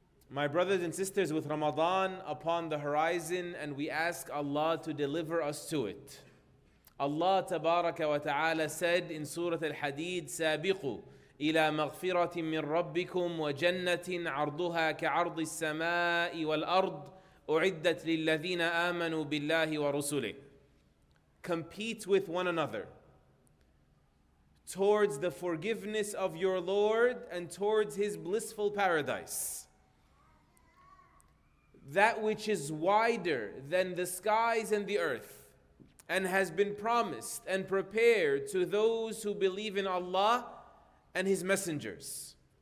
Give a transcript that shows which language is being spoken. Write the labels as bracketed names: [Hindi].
[English] My brothers and sisters, with Ramadan upon the horizon, and we ask Allah to deliver us to it. Allah tabaraka wa ta'ala said in Surah Al-Hadid, [Arabic] سَابِقُوا إِلَى مَغْفِرَةٍ مِّن رَبِّكُمْ وَجَنَّةٍ عَرْضُهَا كَعَرْضِ السَّمَاءِ وَالْأَرْضِ أُعِدَّتْ لِلَّذِينَ آمَنُوا بِاللَّهِ وَرُسُلِهِ. [English] Compete with one another towards the forgiveness of your Lord and towards His blissful paradise. That which is wider than the skies and the earth, and has been promised and prepared to those who believe in Allah and His messengers.